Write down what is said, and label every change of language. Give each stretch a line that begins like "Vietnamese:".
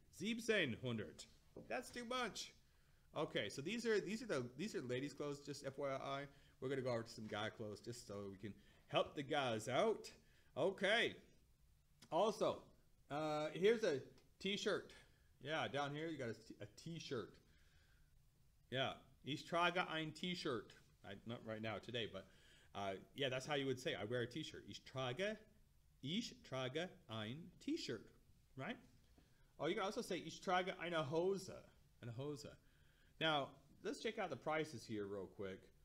English: 1,700. That's too much. Okay, so these are ladies' clothes, just FYI. We're gonna go over to some guy clothes just so we can help the guys out. Okay. Also, here's a t-shirt. Yeah, down here you got a t-shirt.
German: Yeah, ich trage ein t-shirt.
English: Not right now, today, but yeah, that's how you would say, I wear a t-shirt.
German: Ich trage ein t-shirt, right?
English: Oh, you can also say,
German: ich trage eine Hose. Eine Hose.
English: Now, let's check out the prices here real quick.